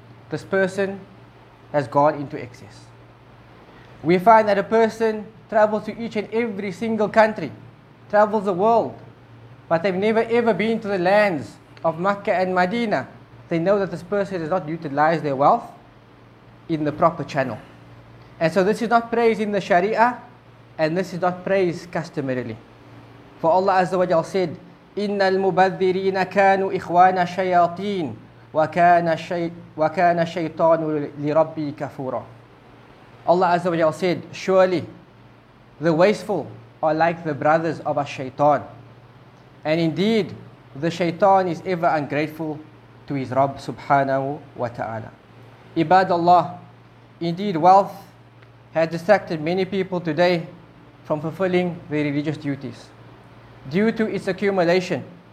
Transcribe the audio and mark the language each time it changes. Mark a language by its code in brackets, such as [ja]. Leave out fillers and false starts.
[en] This person has gone into excess. We find that a person travels to each and every single country, travels the world, but they've never ever been to the lands of Makkah and Medina. They know that this person has not utilized their wealth in the proper channel. And so this is not praise in the Sharia, and this is not praise customarily. For Allah Azza wa Jal said, [ar] إِنَّ الْمُبَذِّرِينَ كَانُوا إِخْوَانَ الشَّيَاطِينَ وَكَانَ الشَّيْطَانُ لِرَبِّي كَفُورًا. [en] Allah Azza wa Jal said, surely the wasteful are like the brothers of a shaitan. And indeed, the shaitan is ever ungrateful to his Rabb subhanahu wa ta'ala. Ibadallah, indeed wealth has distracted many people today from fulfilling their religious duties due to its accumulation.